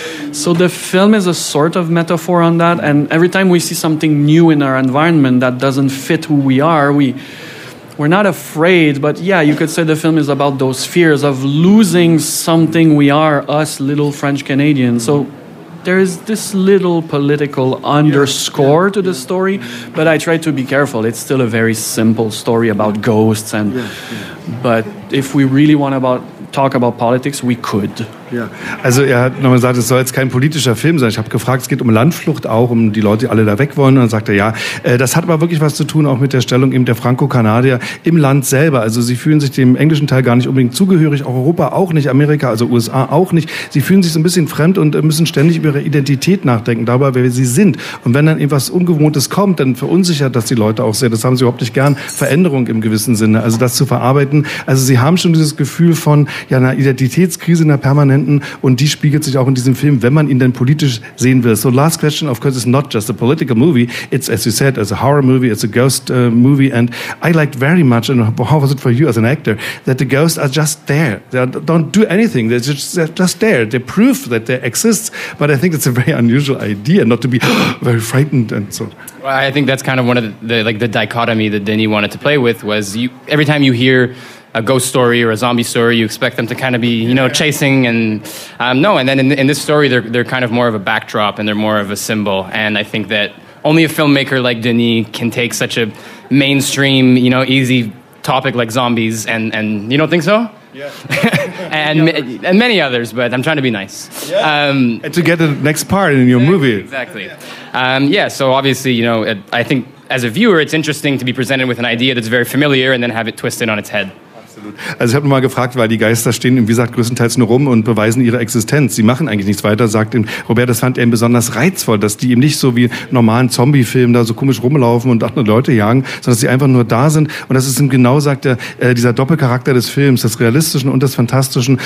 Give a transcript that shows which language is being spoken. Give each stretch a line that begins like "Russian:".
English: So the film is a sort of metaphor on that, and every time we see something new in our environment that doesn't fit who we are, we're not afraid, but yeah, you could say the film is about those fears of losing something we are, us little French Canadians. So there is this little political underscore to the story, but I try to be careful. It's still a very simple story about ghosts, and but if we really want to talk about politics, we could.
German: Ja. Also er hat nochmal gesagt, es soll jetzt kein politischer Film sein. Ich habe gefragt, es geht um Landflucht auch, um die Leute, die alle da weg wollen. Und dann sagt er, ja, das hat aber wirklich was zu tun auch mit der Stellung eben der Franco-Kanadier im Land selber. Also sie fühlen sich dem englischen Teil gar nicht unbedingt zugehörig, auch Europa auch nicht, Amerika, also USA auch nicht. Sie fühlen sich so ein bisschen fremd und müssen ständig über ihre Identität nachdenken, dabei, wer sie sind. Und wenn dann etwas Ungewohntes kommt, dann verunsichert das die Leute auch sehr. Das haben sie überhaupt nicht gern, Veränderung im gewissen Sinne, also das zu verarbeiten. Also sie haben schon dieses Gefühl von ja einer Identitätskrise, einer permanenten. Und die spiegelt sich auch in diesem Film, wenn man ihn denn politisch sehen will.
English: So last question, of course, is not just a political movie. It's, as you said, it's a horror movie, it's a ghost movie. And I liked very much, and how was it for you as an actor, that the ghosts are just there. They don't do anything. They're just there. They're proof that they exist. But I think it's a very unusual idea not to be very frightened and so. Well, I think that's kind of one of the dichotomy that Denis wanted to play with was you, every time you hear a ghost story or a zombie story, you expect them to kind of be, you know, chasing and no. And then in this story, they're kind of more of a backdrop and they're more of a symbol. And I think that only a filmmaker like Denis can take such a mainstream, you know, easy topic like zombies and you don't think so? Yeah. and many others, but I'm trying to be nice. Yeah. And to get the next part in your movie. Exactly. Yeah, so obviously, you know, I think as a viewer, it's interesting to be presented with an idea that's very familiar and then have it twisted on its head.
German: Also ich habe nochmal gefragt, weil die Geister stehen, wie gesagt, größtenteils nur rum und beweisen ihre Existenz. Sie machen eigentlich nichts weiter, sagt ihm Robert, das fand er besonders reizvoll, dass die eben nicht so wie normalen Zombie-Filmen da so komisch rumlaufen und andere Leute jagen, sondern dass sie einfach nur da sind. Und das ist eben genau, sagt er, dieser Doppelcharakter des Films, des Realistischen und des Fantastischen.